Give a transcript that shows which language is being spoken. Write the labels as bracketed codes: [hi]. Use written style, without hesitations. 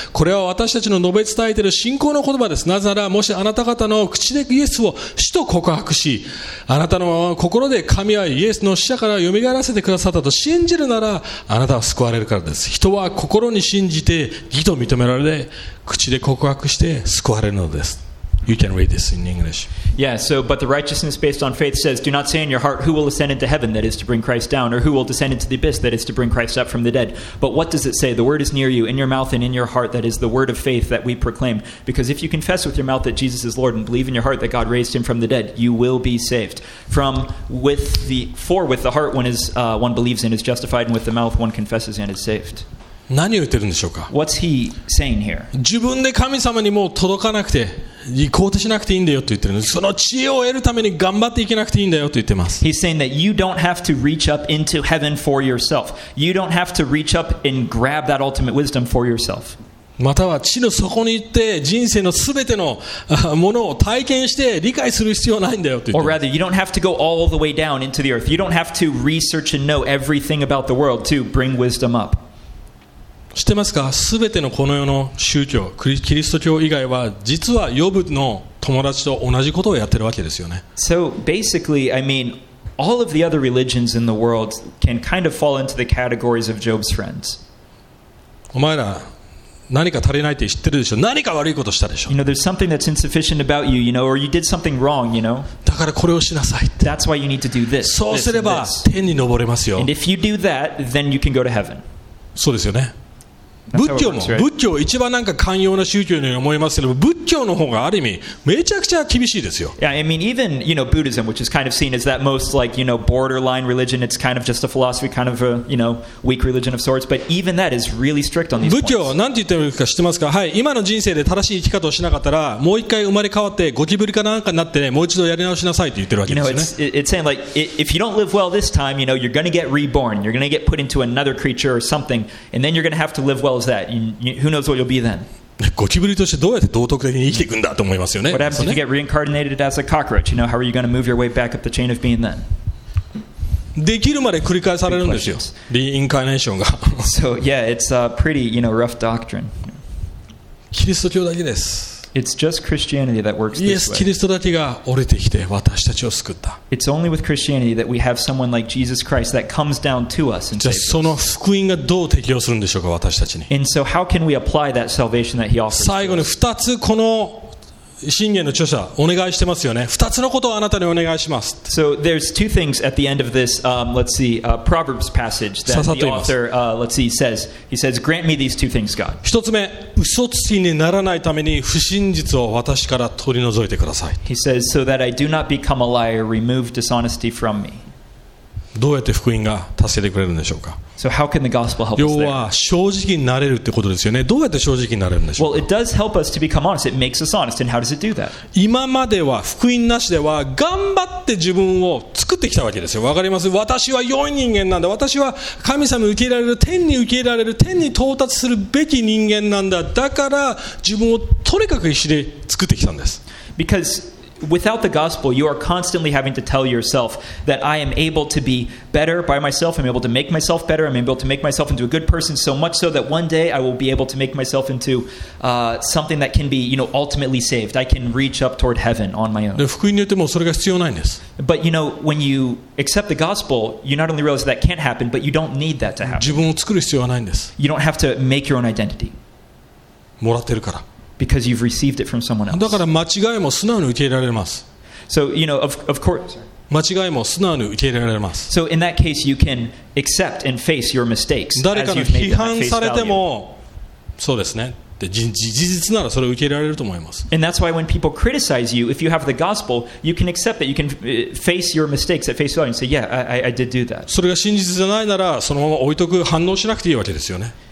[ja] これは私たちの述べ伝えている信仰の言葉です。なぜならもしあなた方の口でイエスを死と告白し、あなたの心で神はイエスの死者から蘇らせてくださったと信じるならあなたは救われるからです。人は心に信じて義と認められて口で告白して救われるのです。 [en] You can read this in English. Yeah, so, but the righteousness based on faith says, do not say in your heart, who will ascend into heaven, that is to bring Christ down, or who will descend into the abyss, that is to bring Christ up from the dead. But what does it say? The word is near you, in your mouth and in your heart, that is the word of faith that we proclaim. Because if you confess with your mouth that Jesus is Lord and believe in your heart that God raised him from the dead, you will be saved. With the heart one believes and is justified, and with the mouth one confesses and is saved. [ja] 何を言ってるんでしょうか? [en] What's he saying here? [ja] 自分で神様にもう届かなくて、行こうとしなくていいんだよと言ってるんです。その知恵を得るために頑張っていけなくていいんだよと言ってます。 [en] He's saying that you don't have to reach up into heaven for yourself. You don't have to reach up and grab that ultimate wisdom for yourself. [ja] または地の底に行って人生のすべてのものを体験して理解する必要はないんだよと言ってます。 [en] Or rather, you don't have to go all the way down into the earth. You don't have to research and know everything about the world to bring wisdom up. [ja] 知ってますか? すべてのこの世の宗教、キリスト教以外は、実はヨブの友達と同じことをやってるわけですよね。 [en] So basically, I mean, all of the other religions in the world can kind of fall into the categories of Job's friends. [ja] お前ら、何か足りないって知ってるでしょ?何か悪いことしたでしょ? [en] You know, there's something that's insufficient about you, you know, or you did something wrong, you know. [ja] だからこれをしなさいって。 [en] That's why you need to do this. [ja] そうすれば天に登れますよ。 [en] And if you do that, then you can go to heaven. [ja] そうですよね。仏教も仏教一番なんか寛容な宗教のように思いますけど、仏教の方がある意味めちゃくちゃ厳しいですよ。 [en] Yeah, I mean, even you know Buddhism, which is kind of seen as that most like you know borderline religion, it's kind of just a philosophy, kind of a you know weak religion of sorts. But even that is really strict on these points. [ja] 仏教なんて言ってるか知ってますか？はい、今の人生で正しい生き方をしなかったら、もう一回生まれ変わってゴキブリかなんかになって、ね、もう一度やり直しなさいって言ってるわけですよね。 [en] You know, it's saying like if you don't live well this time, you know you're going to get reborn. You're going to get put into another creature or something, and then you're going to have to live well. That. Who knows what you'll be then? [ja] ゴキブリとしてどうやって道徳的に生きていくんだと思いますよね。 [en] What happens if you get reincarnated as a cockroach? You know, how are you going to move your way back up the chain of being then? [ja] できるまで繰り返されるんですよ。 Reincarnation が。 [en] So yeah, it's a pretty, you know, rough doctrine. [ja] キリスト教だけです。 [en] It's just Christianity that works this way. [ja] イエス・キリストだけが降りてきて私たちを救った。 [en] It's only with Christianity that we have someone like Jesus Christ that comes down to us and saves us. [ja] じゃあその福音がどう適用するんでしょうか私たちに。 [en] And so how can we apply that salvation that he offers? [ja] 最後に2つこの箴言の著者お願いしてますよね。 2つのことをあなたにお願いします。 [en] So there's two things at the end of this, let's see, Proverbs passage that ささ the author, let's see, says. He says, "Grant me these two things, God." [ja] 一つ目、嘘つきにならないために不真実を私から取り除いてください。 [en] He says, "So that I do not become a liar, remove dishonesty from me." [ja] どうやって福音が助けてくれるんでしょうか。 [en] So how can the gospel help us there? [ja] 要は正直になれるってことですよね。どうやって正直になれるんでしょうか? [en] Well, it does help us to become honest. It makes us honest. And how does it do that? [ja] 今までは福音なしでは頑張って自分を作ってきたわけですよ。わかります? 私は良い人間なんだ。私は神様に受け入れられる、天に受け入れられる、天に到達するべき人間なんだ。だから自分をとにかく必死で作ってきたんです。 [en] Because... Without the gospel, you are constantly having to tell yourself that I am able to be better by myself. I'm able to make myself better. I'm able to make myself into a good person so much so that one day I will be able to make myself into something that can be, you know, ultimately saved. I can reach up toward heaven on my own. [ja] 福音によってもそれが必要ないんです。 [en] But you know, when you accept the gospel, you not only realize that can't happen, but you don't need that to happen. [ja] 自分を作る必要はないんです。 [en] You don't have to make your own identity. [ja] もらってるから。 [en] Because you've received it from someone else. [ja] だから間違いも素直に受け入れられます。 [en] So, you know, of course. [ja] 間違いも素直に受け入れられます。 [en] So, in that case, you can accept and face your mistakes. [ja] 誰かに批判されても、そうですね。事実ならそれを受け入れられると思います。 [en] And that's why when people criticize you, if you have the gospel, you can accept that. You can face your mistakes at face value and say, yeah, I did do that. [ja] それが真実じゃないなら、そのまま置いとく、反応しなくていいわけですよね。